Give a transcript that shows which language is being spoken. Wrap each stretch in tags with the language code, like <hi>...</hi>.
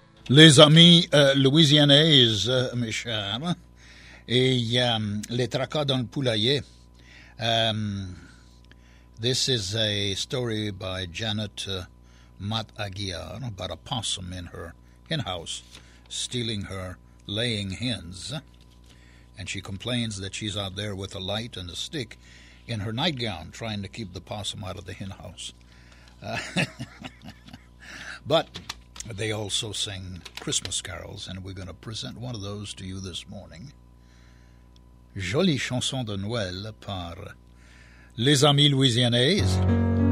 <fr>Les amis louisianais, mes chers, et les tracas dans le poulailler.</fr> <en>This is a story by Janet Matt Aguiar about a possum in her hen house stealing her laying hens. And she complains that she's out there with a light and a stick in her nightgown trying to keep the possum out of the hen house. but they also sing Christmas carols, and we're going to present one of those to you this morning.</en> <fr>Jolie chanson de Noël par Les Amis Louisianais.</fr>